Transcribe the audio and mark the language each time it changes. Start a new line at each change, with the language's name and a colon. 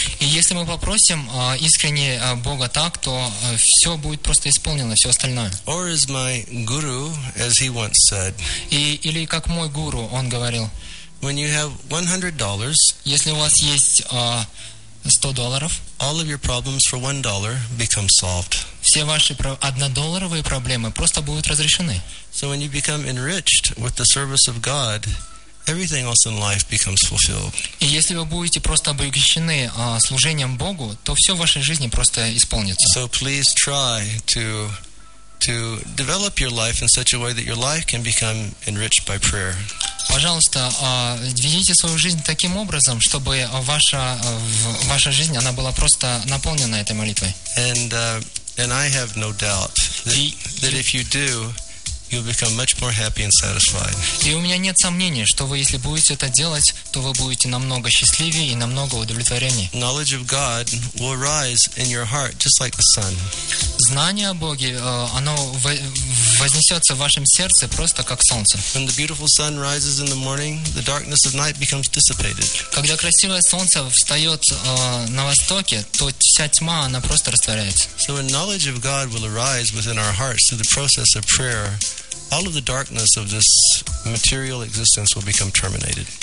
Russian: И если мы попросим искренне Бога так, то все будет просто исполнено, все остальное.
English: Or as my guru, as he once said.
Russian: Или как мой гуру, он говорил.
English: When you have $100.
Russian: Если у вас есть $100.
English: All of your problems for $1 become solved.
Russian: все ваши однодолларовые проблемы просто будут разрешены.
English: So when you become enriched with the service of God, everything else in life becomes fulfilled.
Russian: И если вы будете просто обогащены служением Богу, то все в вашей жизни просто исполнится.
English: So please try to develop your life in such a way that your life can become enriched by prayer.
Russian: Пожалуйста, ведите свою жизнь таким образом, чтобы ваша жизнь она была просто наполнена этой молитвой.
English: And I have no doubt that if you do, you'll become much more happy and satisfied.
Russian: И у меня нет сомнений, что вы, если будете это делать, то вы будете намного счастливее и намного удовлетвореннее.
English: Knowledge of God will rise in your heart just like the sun.
Russian: Знание о Боге, оно вознесется в вашем сердце просто как солнце.
English: When the beautiful sun rises in the morning, the darkness of night becomes dissipated.
Russian: Когда красивое солнце встает на востоке, то вся тьма, она просто растворяется.
English: So when knowledge of God will arise within our hearts through the process of prayer, all of the darkness of this material existence will become terminated.